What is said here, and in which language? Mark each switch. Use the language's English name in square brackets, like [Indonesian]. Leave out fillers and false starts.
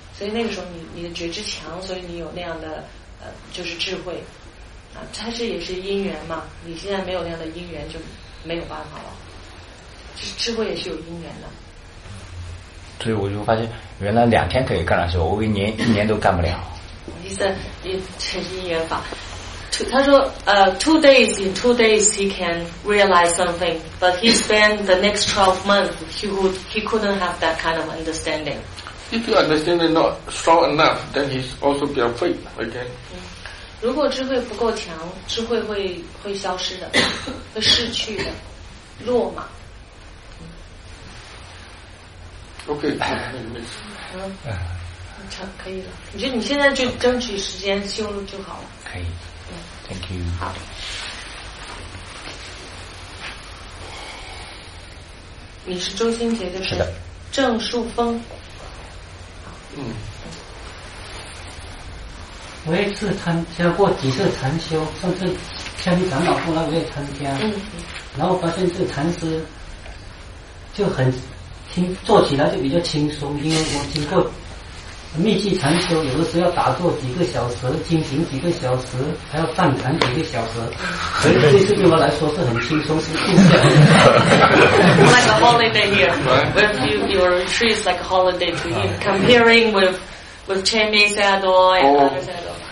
[Chinese] 所以那个时候你的觉知强，所以你有那样的就是智慧啊。它是也是因缘嘛，你现在没有那样的因缘就没有办法了，就是智慧也是有因缘的。所以我就发现原来两天可以干的时候，我一年都干不了。你是因缘法 [English] 他说 two days he can realize something, but he spent the next 12 months he couldn't have that kind of understanding. If your understanding not strong enough, then he's also be afraid again. [Chinese] 如果智慧不够强，智慧会消失的，会逝去的，落马。 [English] Okay, okay. [Chinese] 可以了，你觉得你现在就争取时间修路就好了。 [English] 可以。 Thank you. [Chinese] 好。你是周新杰的。是的。郑树峰。我一次参加过几次禅修，上次天地长老部那个也参加，然后发现这个禅师就很轻，做起来就比较轻松，因为我经过密集禅修，有的时候要打坐几个小时，精行几个小时，还要站禅几个小时，所以这次对我来说是很轻松，是静下来的。 [English] Like a holiday here, where you are treated like a holiday to you, comparing with Chinese Sayadaw and other Sayadaw.